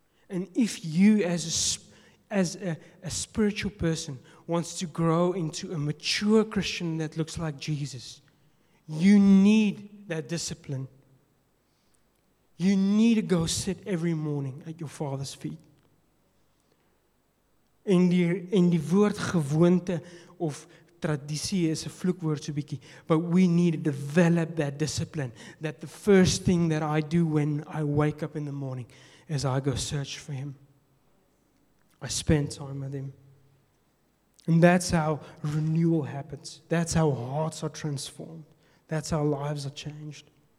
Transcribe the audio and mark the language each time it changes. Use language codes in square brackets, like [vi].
[en] And if you as a spiritual person wants to grow into a mature Christian that looks like Jesus, you need that discipline. You need to go sit every morning at your Father's feet. [af] In die woord gewoonte of traditie is 'n vloekwoord so bietjie. [en] But we need to develop that discipline. That the first thing that I do when I wake up in the morning is I go search for Him. I spend time with Him. And that's how renewal happens. That's how hearts are transformed. That's how lives are changed.